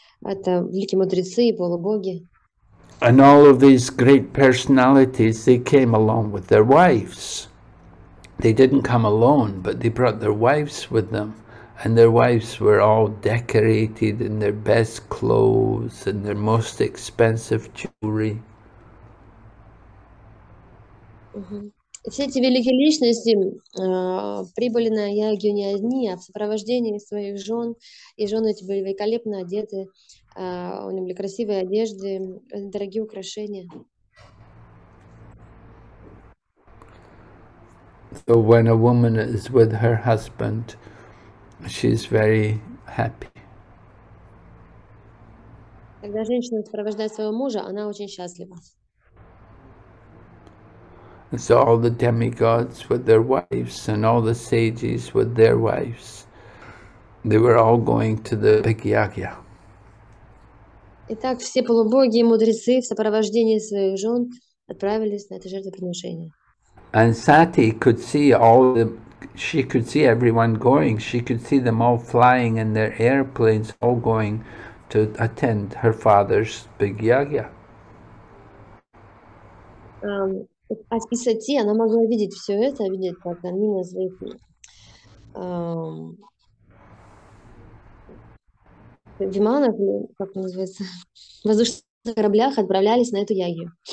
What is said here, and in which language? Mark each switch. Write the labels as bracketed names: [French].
[Russian] Это великие мудрецы и полубоги. [English] And all of these great personalities, they came along with their wives. They didn't come alone, but they brought their wives with them. And their wives were all decorated in their best clothes and their most expensive jewelry. [Russian] Все эти великие личности прибыли на ягью не одни, а в сопровождении своих жен. И жены эти были великолепно одеты, у них были красивые одежды, дорогие украшения. [English] So when a woman is with her husband, she's very happy. [Russian] Когда женщина сопровождает своего мужа, она очень счастлива. [English] And so all the demigods with their wives and all the sages with their wives, they were all going to the big yagya. [Russian] Итак, все полубоги и мудрецы в сопровождении своих жен отправились на это жертвоприношение. [English] And Sati could see all the, she could see everyone going, she could see them all flying in their airplanes, all going to attend her father's big yagya. [Russian] А в Сати она могла видеть все это, видеть, как они на своих виманах, как называется, воздушных кораблях отправлялись на эту ягью.